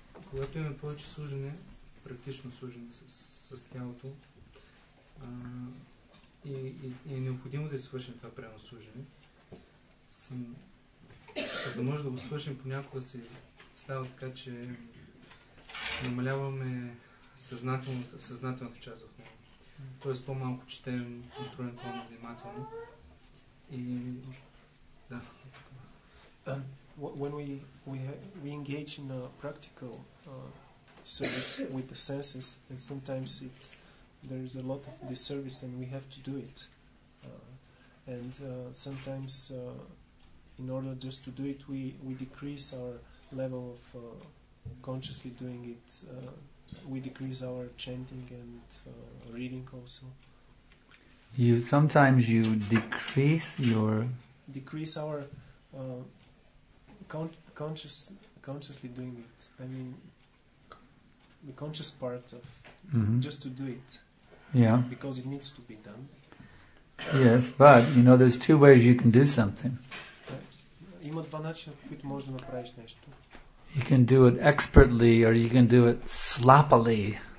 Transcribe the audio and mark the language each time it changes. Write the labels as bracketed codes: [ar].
[bg] Когато имаме повече служене, практично служене с тялото, и е необходимо да свършим това прямо служене, за да може да го свършим, понякога се става така, че намаляваме съзнателната част от него. Тоест по-малко четем, отруем по-внимателно. И да. [en] When we engage in a practical service with the senses, and sometimes there's a lot of disservice and we have to do it. And sometimes in order just to do it, we decrease our level of consciously doing it. We decrease our chanting and reading also. Sometimes you decrease your... Decrease our consciously doing it. I mean, the conscious part of just to do it. Yeah. Because it needs to be done. Yes, but, you know, there's two ways you can do something. [bg] Има два начина, по които можеш да направиш нещо. [en] You can do it expertly or you can do it sloppily.